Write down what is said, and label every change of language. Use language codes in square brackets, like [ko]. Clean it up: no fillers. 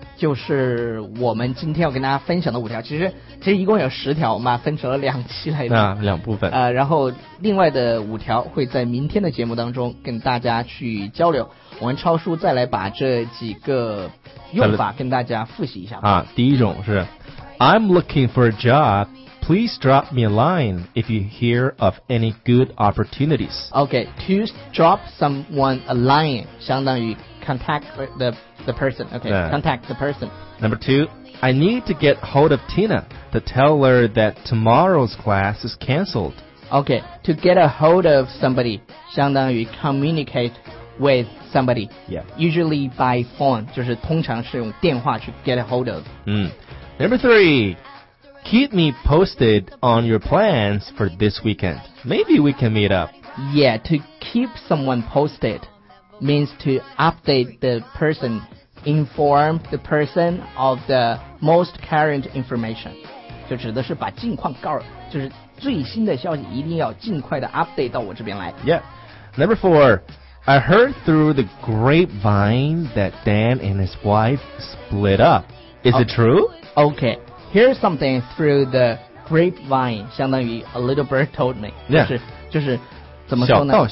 [zh] 就是我们今天要跟大家分享的五条，其实一共有十条，我们分成了两期来的，两部分啊、然后另外的五条会在明天的节目当中跟大家去交流。我们超叔再来把这几个用法跟大家复习一下啊。 [en] 第一种是 I'm looking for a job, please drop me a line if you hear of any good opportunities. OK, to drop someone a line [zh] 相当于 [en] contact the person. Okay, yeah. Contact the person. Number two, I need to get hold of Tina to tell her that tomorrow's class is canceled. Okay, to get a hold of somebody [zh] 相当于 [en] communicate with somebody. Yeah. Usually by phone, [zh] 就是通常是用电话去 [en] get a hold of. Number three, keep me posted on your plans for this weekend. Maybe we can meet up. Yeah, to keep someone posted. Means to update the person, inform the person of the most current information. [zh] 就指的是把近况告诉，就是最新的消息一定要尽快的 update 到我这边来。 [en] Yeah. Number four, I heard through the grapevine that Dan and his wife split up. Is it true? Okay. Here's something through the grapevine, [zh] 相当于 [en] a little bird told me. Yeah. [zh] 就是怎么说呢？